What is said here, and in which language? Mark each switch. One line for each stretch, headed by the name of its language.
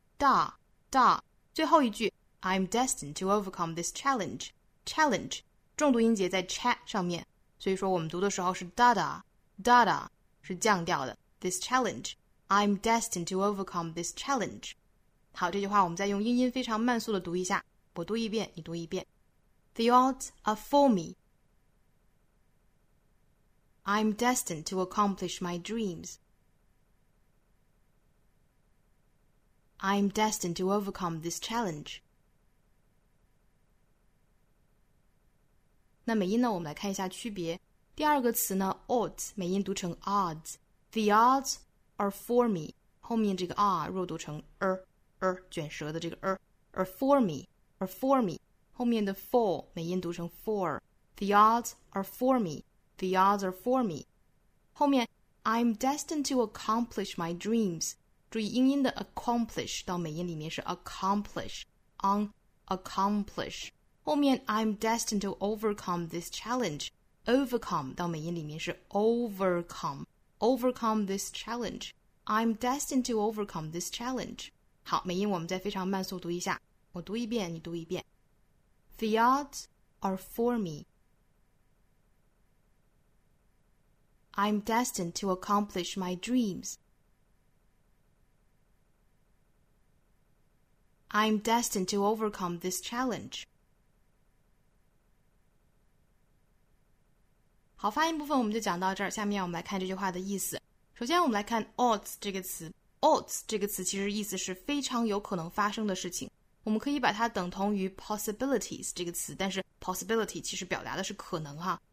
English: Da
Chinese: 最后一句
English: I'm destined to overcome this challenge。
Chinese: Challenge重读音节在 cha 上面，所以说我们读的时候是 dada dada， 是降调的。
English: This challenge， I'm destined to overcome this challenge。
Chinese: 好，这句话我们再用音非常慢速的读一下，我读一遍你读一遍。
English: The odds are for me， I'm destined to accomplish my dreams， I'm destined to overcome this challenge。
Chinese: 那美音呢，我们来看一下区别。第二个词呢 odds， 美音读成 odds。
English: The odds are for me，
Chinese: 后面这个 r 若读成 r 卷舌的这个 r，
English: are for me
Chinese: 后面的 for 美音读成 for。
English: The odds are for me， The odds are for me，
Chinese: 后面
English: I'm destined to accomplish my dreams，
Chinese: 注意英音的
English: accomplish
Chinese: 到美音里面是
English: accomplish， unaccomplish。
Chinese: 后面
English: I'm destined to overcome this challenge， overcome
Chinese: 到美音里面是
English: overcome， overcome this challenge， I'm destined to overcome this challenge。
Chinese: 好，美音我们再非常慢速读一下，我读一遍你读一遍。
English: The odds are for me， I'm destined to accomplish my dreams， I'm destined to overcome this challenge。
Chinese: 好，发音部分我们就讲到这儿，下面我们来看这句话的意思。首先我们来看 odds 这个词。odds 这个词其实意思是非常有可能发生的事情，我们可以把它等同于 possibilities 这个词，但是 possibility 其实表达的是可能哈。